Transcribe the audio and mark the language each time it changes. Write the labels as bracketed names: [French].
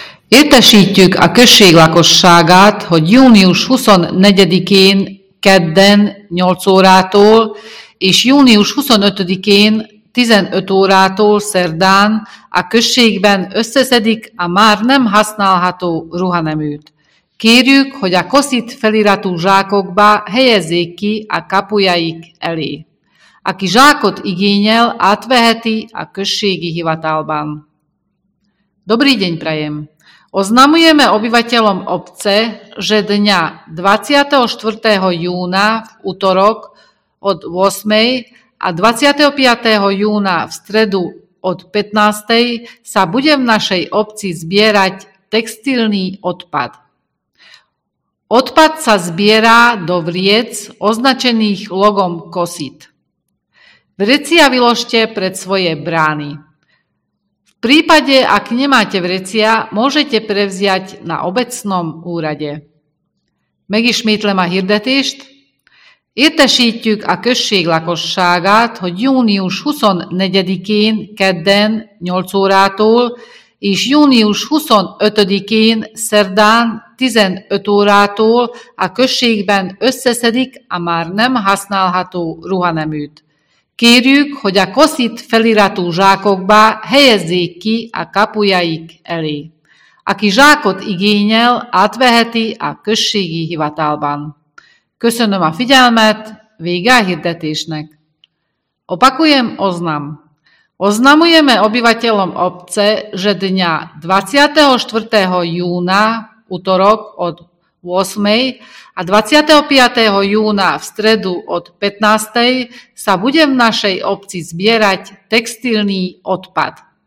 [Hungarian] Értesítjük a község lakosságát, hogy június 24-én kedden 8 órától és június 25-én 15 órától szerdán a községben összeszedik a már nem használható ruhaneműt. Kérjük, hogy a koszit feliratú zsákokba helyezzék ki a kapujaik elé. Aki zsákot igényel, átveheti a községi hivatalban. [Slovak] Dobrý deň prajem. Oznamujeme obyvateľom obce, že dňa 24. júna v utorok od 8. a 25. júna v stredu od 15. sa bude v našej obci zbierať textilný odpad. Odpad sa zbierá do vriec označených logom KOSIT. Vrecia vyložte pred svoje brány. V prípade, ak nemáte vrecia, môžete prevziať na obecnom úrade. [Hungarian] Megismétlem a hirdetést. Értesítjük a község lakosságát, hogy június 24-én kedden 8 órától és június 25-én szerdán 15 órától a községben összeszedik a már nem használható ruhaneműt. Kérjük, hogy a koszit feliratú zsákokba helyezzék ki a kapujaik elé. Aki zsákot igényel, átveheti a községi hivatalban. Köszönöm a figyelmet, vége a hirdetésnek. [Slovak] Opakujem oznam. Oznamujeme obyvateľom obce, že dňa 24. júna, utorok od 8. a 25. júna v stredu od 15. sa bude v našej obci zbierať textilný odpad.